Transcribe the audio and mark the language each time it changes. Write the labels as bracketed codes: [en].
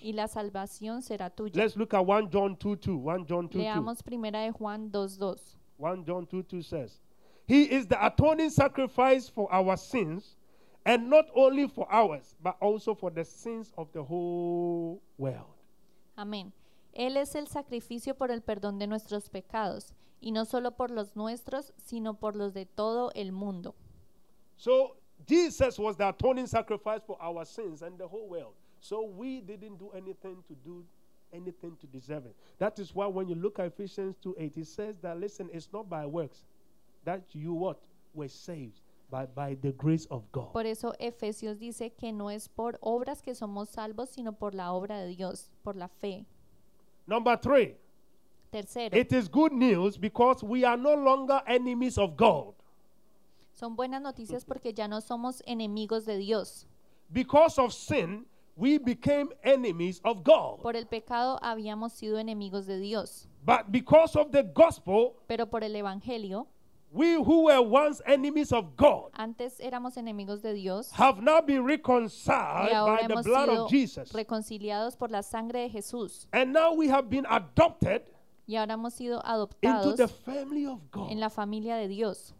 [es] Y la salvación será tuya. [en] Let's look at 1 John 2 2. 1 John 2 2. [es] Leamos primera de Juan 2 2. [en] 1 John 2 2 says, "He is the atoning sacrifice for our sins, and not only for ours, but also for the sins of the whole world." [es] Amén. Él es el sacrificio por el perdón de nuestros pecados, y no solo por los nuestros, sino por los de todo el mundo. [en] So Jesus was the atoning sacrifice for our sins and the whole world. So we didn't do anything to do anything to deserve it. That is why when you look at Ephesians 2:8, it says that, listen, it's not by works that you what were saved, but by the grace of God. [es] Por eso Efesios dice que no es por obras que somos salvos, sino por la obra de Dios, por la fe. [en] Number three. [es] Tercero. [en] It is good news because we are no longer enemies of God. [es] Son buenas noticias porque ya no somos enemigos de Dios. [en] Because of sin, we became enemies of God. [es] Por el pecado habíamos sido enemigos de Dios. [en] But because of the gospel, [es] pero por el evangelio, [en] we who were once enemies of God, [es] antes éramos enemigos de Dios, [en] have now been reconciled by the blood of Jesus. [es] Reconciliados por la sangre de Jesús. [en] And now we have been adopted. [es] Y ahora hemos sido adoptados en la familia de Dios.